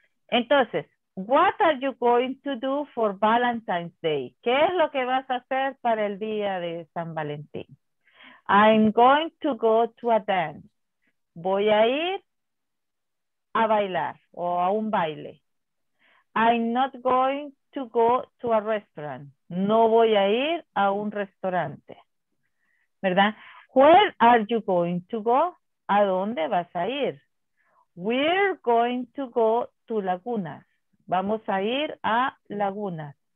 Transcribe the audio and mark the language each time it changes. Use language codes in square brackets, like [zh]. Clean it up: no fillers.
[es] Entonces, [en] what are you going to do for Valentine's Day? [es] ¿Qué es lo que vas a hacer para el día de San Valentín? [en] I'm going to go to a dance. [es] Voy a ir a bailar o a un baile. [en] I'm not going to go to a restaurant. [es] No voy a ir a un restaurante. [en] ¿Verdad? Where are you going to go? [es] ¿A dónde vas a ir? [en] We're going to go to Lagunas. [es] Vamos a ir a Lagunas.